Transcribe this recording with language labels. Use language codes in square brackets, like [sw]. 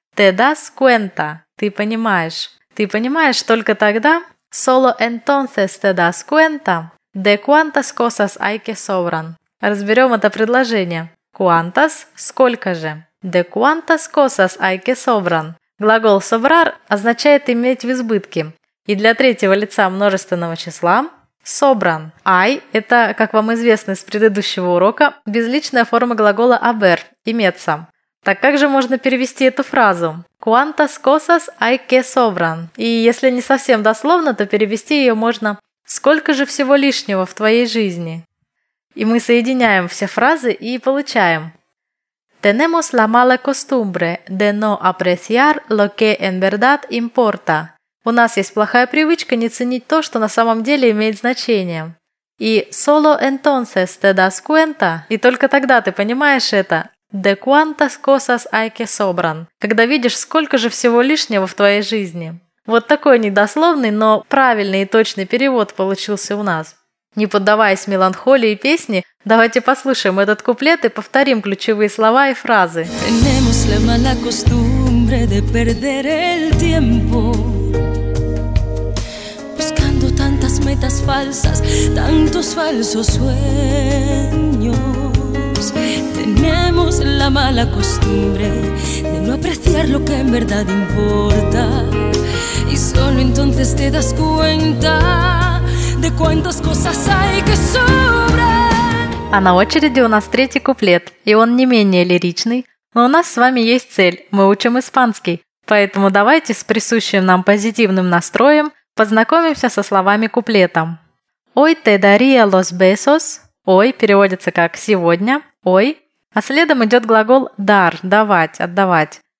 [es] Te das cuenta – [ru] ты понимаешь. Ты понимаешь только тогда. [es] Solo entonces te das cuenta de cuántas cosas hay que sobran. [ru] Разберем это предложение. [es] Cuántas [ru] – сколько же. [es] De cuántas cosas hay que sobran. [ru] Глагол sobrar означает иметь в избытке. И для третьего лица множественного числа – собран. I – это, как вам известно из предыдущего урока, безличная форма глагола haber – «иметься». Так как же можно перевести эту фразу? [es] Quantas cosas hay que sobran? [ru] И если не совсем дословно, то перевести ее можно «Сколько же всего лишнего в твоей жизни?» И мы соединяем все фразы и получаем. [es] Tenemos la mala costumbre de no apreciar lo que en verdad importa. [ru] У нас есть плохая привычка не ценить то, что на самом деле имеет значение. И [es] solo entonces te das cuenta, [ru] и только тогда ты понимаешь это, [es] de cuántas cosas hay que sobran, [ru] когда видишь, сколько же всего лишнего в твоей жизни. Вот такой недословный, но правильный и точный перевод получился у нас. Не поддаваясь меланхолии песни, давайте послушаем этот куплет и повторим ключевые слова и фразы. [es] Tenemos la mala costumbre de perder el tiempo buscando tantas metas falsas, tantos falsos sueños. Tenemos la mala costumbre de no apreciar lo que en verdad importa y solo entonces te das cuenta de cuántas cosas hay que sobrar. [ru] А на очереди у нас третий куплет, и он не менее лиричный, но у нас с вами есть цель, мы учим испанский, поэтому давайте с присущим нам позитивным настроем познакомимся со словами куплета. Ой, [es] te daría los besos, [ru] ой, переводится как сегодня, ой, а следом идет глагол dar, давать, отдавать.